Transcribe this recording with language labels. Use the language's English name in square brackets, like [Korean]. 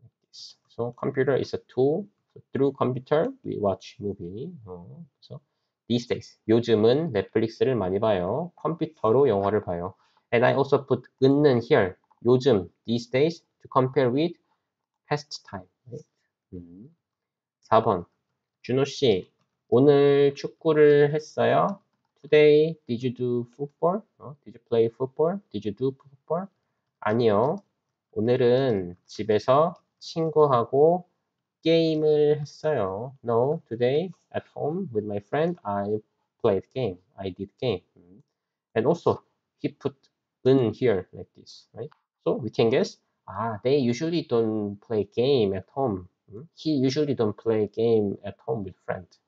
[English] So, computer is a tool. So, through computer, we watch movie. So, these days, [Korean] 요즘은 넷플릭스를 많이 봐요. 컴퓨터로 영화를 봐요. [English] And I also put 은는 here. 요즘, these days, to compare with past time. Right? 4번. [Korean] 준호 씨, 오늘 축구를 했어요? [English] Today, did you do football? Did you play football? Did you do football? [Korean] 아니요. 오늘은 집에서 친구하고 게임을 했어요. [English] No, today, at home, with my friend, I played game. I did game. And also, he put in here like this, right? So we can guess, they usually don't play game at home, He usually don't play game at home with friends.